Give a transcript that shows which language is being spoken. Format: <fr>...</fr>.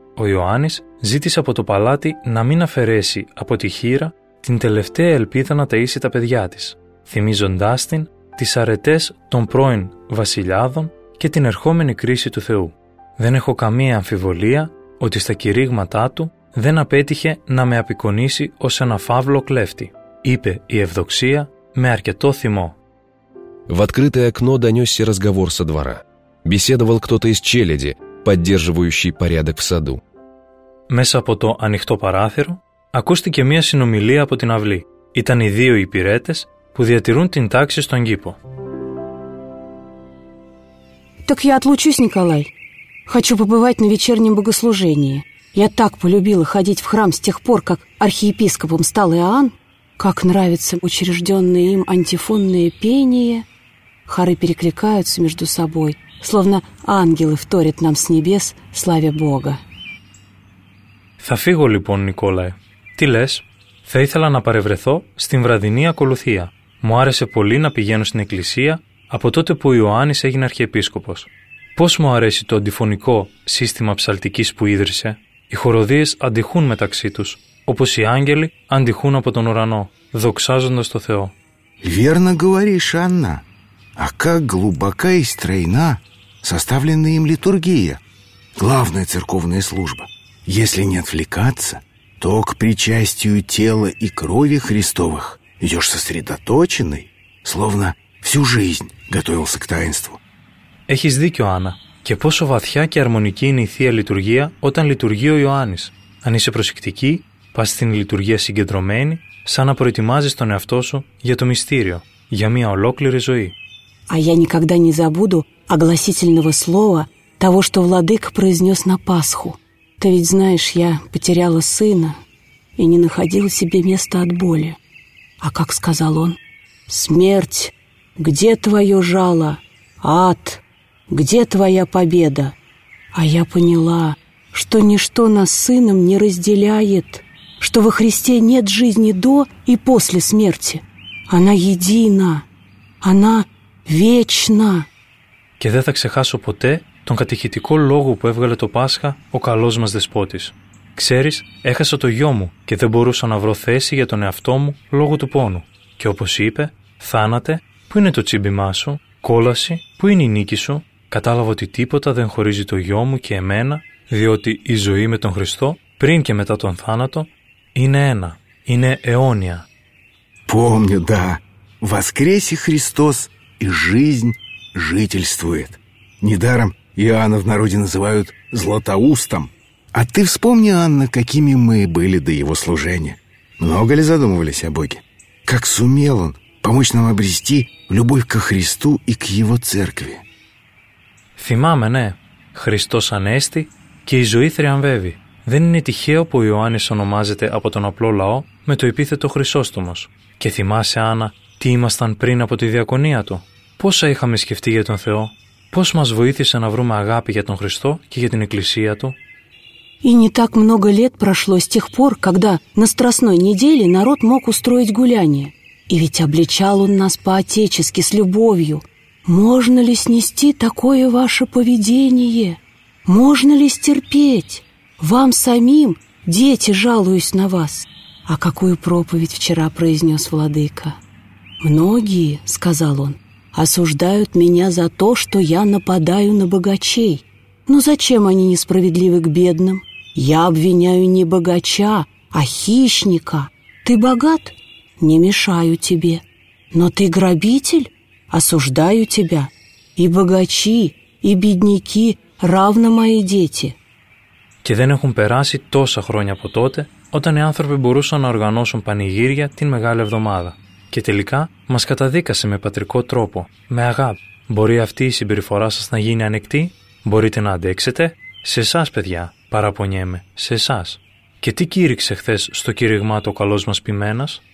<el>Ο Ιωάννης ζήτησε από το παλάτι να μην αφαιρέσει από τη χείρα την τελευταία ελπίδα να ταΐσει τα παιδιά της, θυμίζοντάς την τις αρετές των πρώην βασιλιάδων και την ερχόμενη κρίση του Θεού. «Δεν έχω καμία αμφιβολία ότι στα κηρύγματά του δεν απέτυχε να με απεικονίσει ως ένα φαύλο κλέφτη», είπε η Ευδοξία με αρκετό θυμό.</el> <ru>В открытое окно донесся разговор со двора. Беседовал кто-то из челяди, поддерживающий порядок в саду.</ru> <el>Μέσα από το ανοιχτό παράθυρο ακούστηκε μια συνομιλία από την αυλή. Ήταν οι δύο υπηρέτες που διατηρούν την τάξη στον κήπο.</el> <ru>Так я отлучусь, Николай. Хочу побывать на вечернем богослужении. Я так полюбила ходить в храм с тех пор, как архиепископом стал Иоанн. Как нравится учрежденное им антифонное пение. Хоры перекликаются между собой, словно ангелы вторят нам с небес, славя Бога.</ru> <el>Θα φύγω λοιπόν, Νικόλαε. Τι λες? Θα ήθελα να παρευρεθώ στην βραδινή ακολουθία. Μου άρεσε πολύ να πηγαίνω στην εκκλησία από τότε που ο Ιωάννης έγινε αρχιεπίσκοπος. Πώς μου αρέσει το αντιφωνικό σύστημα ψαλτικής που ίδρυσε. Οι χοροδίες αντιχούν μεταξύ τους, όπως οι άγγελοι αντιχούν από τον ουρανό, δοξάζοντας το Θεό.</el> <ru>Верно говоришь, Анна. А как глубока и стройна составлена им литургия, главная церковная служба. Если не отвлекаться, то к причастию тела и крови Христовых идешь сосредоточенный, словно всю жизнь готовился к таинству.</ru> <el>Έχεις δίκιο, Άννα. Και πόσο βαθιά και αρμονική είναι η Θεία Λειτουργία όταν λειτουργεί ο Ιωάννης. Αν είσαι προσεκτική, πας στην λειτουργία συγκεντρωμένη, σαν να προετοιμάζεις τον εαυτό σου για το μυστήριο, για μια ολόκληρη ζωή.</el> <ru>А я никогда не забуду огласительного слова того, что Владыка произнес на Пасху. Ты ведь знаешь, я потеряла сына и не находила себе места от боли. А как сказал он? Смерть, где твое жало? Ад, где твоя победа? А я поняла, что ничто нас с сыном не разделяет, что во Христе нет жизни до и после смерти. Она едина, она... Вечно.</ru> <el>Και δεν θα ξεχάσω ποτέ τον κατηχητικό λόγο που έβγαλε το Πάσχα ο καλός μας δεσπότης. Ξέρεις, έχασα το γιο μου και δεν μπορούσα να βρω θέση για τον εαυτό μου λόγω του πόνου. Και όπως είπε, θάνατε, πού είναι το τσίμπημά σου, κόλαση, πού είναι η νίκη σου, κατάλαβα ότι τίποτα δεν χωρίζει το γιο μου και εμένα, διότι η ζωή με τον Χριστό, πριν και μετά τον θάνατο, είναι ένα, είναι αιώνια.</el> <ru>Помню, да, воскресе Христос. И жизнь жительствует. Недаром Иоанна в народе называют Златоустом. А ты вспомни, Анна, какими мы были до его служения. Много ли задумывались о Боге? Как сумел он помочь нам обрести любовь ко Христу и к его церкви?</ru> <el>Θυμάμαι, ναι. Христос Ανέστη και η ζωή θριαμβεύει. Δεν είναι τυχαίο που ο Ιωάννης ονομάζεται από τον απλό λαό με το επίθετο Χρυσόστομος. Και θυμάσαι, Άννα, τι ήμασταν πριν από τη διακονία του. Πόσα είχαμε σκεφτεί για τον Θεό, πώς μας βοήθησε να βρούμε αγάπη για τον Χριστό και για την Εκκλησία Του.</el> <ru>И не так много лет прошло с тех πόρ, когда на Страстной неделе народ мог устроить гуляние. И ведь обличал он нас по-отечески, с любовью. Можно ли снести такое ваше поведение? Можно ли стерпеть? Вам самим, дети, жалуюсь на вас. А какую проповедь вчера произнес Владыка? Многие, сказал он, осуждают меня за то, что я нападаю на богачей. Но зачем они несправедливы к бедным? Я обвиняю не богача, а хищника. Ты богат? Не мешаю тебе. Но ты грабитель? Осуждаю тебя. И богачи, и бедняки равно мои дети.</ru> <el>Και δεν έχουν περάσει τόσα χρόνια από τότε, όταν οι άνθρωποι μπορούσαν να οργανώσουν πανηγύρια την Μεγάλη Εβδομάδα. Και τελικά μας καταδίκασε με πατρικό τρόπο, με αγάπη. Μπορεί αυτή η συμπεριφορά σας να γίνει ανεκτή? Μπορείτε να αντέξετε? Σε εσάς, παιδιά, παραπονιέμαι. Σε εσάς. Και τι κήρυξε χθες στο κήρυγμά το καλός μας ποιμένας?</el>